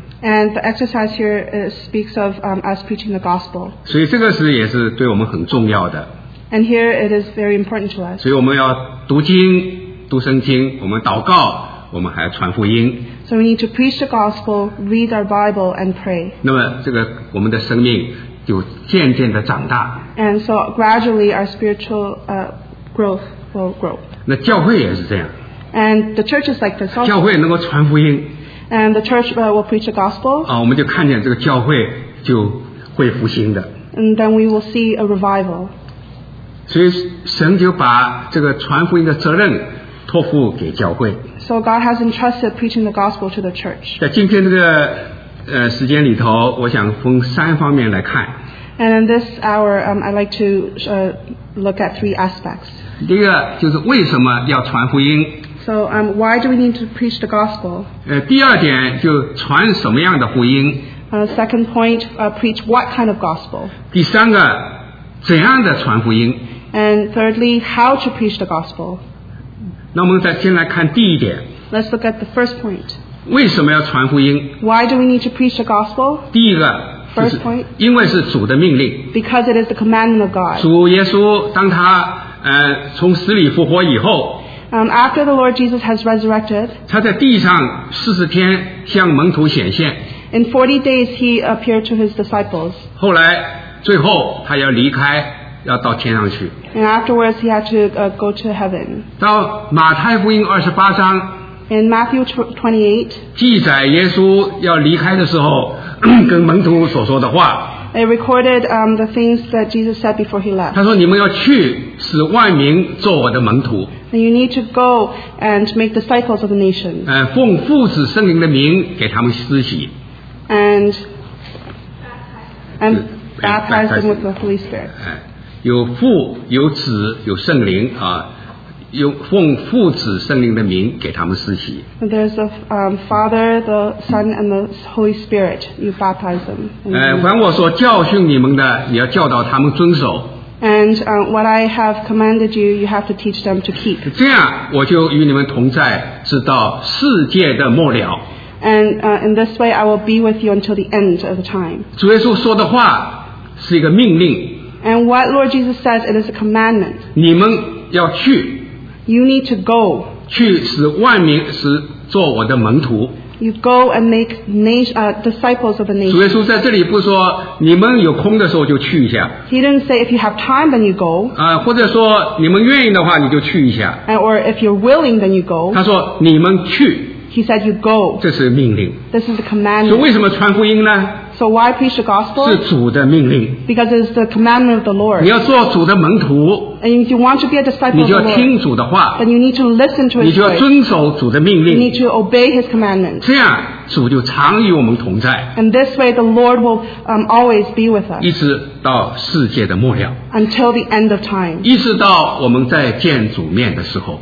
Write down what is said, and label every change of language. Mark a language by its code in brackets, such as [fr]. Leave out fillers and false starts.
[en] And the exercise here speaks of us preaching the gospel. [zh] 所以这个是也是对我们很重要的。 [en] And here it is very important to us. [zh] 所以我们要读经，读圣经，我们祷告，我们还要传福音。 [en] So we need to preach the gospel, read our Bible, and pray. [zh] 那么这个我们的生命就渐渐的长大。 [en] And so gradually our spiritual growth will grow. [zh] 那教会也是这样。 [en] And the church is like this. [zh] 教会能够传福音。 [en] And the church will preach the gospel. [zh] 我们就看见这个教会就会复兴的。 [en] And then we will see a revival. [zh] 所以神就把这个传福音的责任托付给教会。 [en] So God has entrusted preaching the gospel to the church. [zh] 在今天这个时间里头，我想分三方面来看。 [en] And in this hour, I'd like to look at three aspects. [zh] 第一个就是为什么要传福音。 [en] So why do we need to preach the gospel? [zh] 第二点就传什么样的福音。 [en] Second point, preach what kind of gospel? [zh] 第三个。怎样的传福音 [en] And thirdly, how to preach the gospel. [zh] 那我们再先来看第一点 [en] Let's look at the first point. [zh] 为什么要传福音 [en] Why do we need to preach the gospel? [zh] 第一个 [en] First point. [zh] 因为是主的命令 [en] Because it is the commandment of God. [zh] 主耶稣当他从死里复活以后 [en] After the Lord Jesus has resurrected, [zh] 他在地上40天向门徒显现 [en] In 40 days, he appeared to his disciples. [zh] 后来, 最后他要离开, 要到天上去。 [en] And afterwards, he had to go to heaven. [zh] 到马太福音28章, [en] In Matthew 28, [zh] 记载耶稣要离开的时候, 跟门徒所说的话, [en] It recorded the things that Jesus said before he left. [zh] 他说你们要去, 使万民做我的门徒。 [en] And you need to go and make disciples of the nation. [zh] 奉父子圣灵的名给他们施洗。 [en] And baptize them with the Holy Spirit. [zh] 有父有子有圣灵, 奉父子圣灵的名给他们施洗。 [en] There's a Father, the Son, and the Holy Spirit. You baptize them. [zh] 凡我所教训你们的, 你要教导他们遵守。 [en] And what I have commanded you, you have to teach them to keep. [zh] 这样我就与你们同在, 直到世界的末了。 [en] And in this way, I will be with you until the end of the time. [zh] 主耶稣说的话, 是一个命令。 [en] And what Lord Jesus says, it is a commandment. [zh] 你们要去。 [en] You need to go. [zh] 去使万民, 使做我的门徒。 [en] You go and make disciples of the nation. [zh] 主耶稣在这里不说, 你们有空的时候就去一下。 [en] He didn't say, if you have time, then you go. [zh] 或者说, 你们愿意的话, 你就去一下。 [en] And, or if you're willing, then you go. [zh] 他说, 你们去。 [en] He said, you go. [zh] 这是命令。 [en] This is a commandment. [zh] 所以为什么传福音呢? [en] So why preach the gospel? [zh] 是主的命令。 [en] Because it's the commandment of the Lord. [zh] 你要做主的门徒。 [en] And if you want to be a disciple of the Lord, [zh] 你就要听主的话。 [en] Then you need to listen to his voice. [zh] 你就要遵守主的命令。 [en] You need to obey his commandments. [zh] 这样主就常与我们同在。 [en] And this way the Lord will always be with us. [zh] 一直到世界的末了。 [en] Until the end of time. [zh] 一直到我们在见主面的时候。